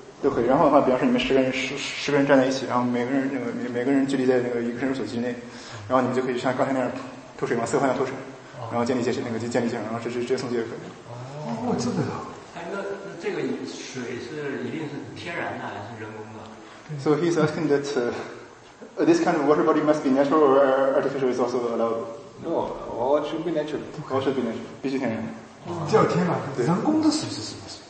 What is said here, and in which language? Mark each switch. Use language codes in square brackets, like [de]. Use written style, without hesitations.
[zh] 对，然后的话，比方说你们十个人站在一起，然后每个人距离在一个一个人所及内，然后你们就可以像刚才那样偷水嘛，四个方向偷水，然后建立界限，那个建立界，然后这送界就可以了。哦，这个，这个水是一定是天然的还是人工的？ [en] So he's asking that this kind of water body must be natural or artificial is also allowed? No, all should be natural. All should be natural, [zh] 必须天然。叫天然，人工的水是什么？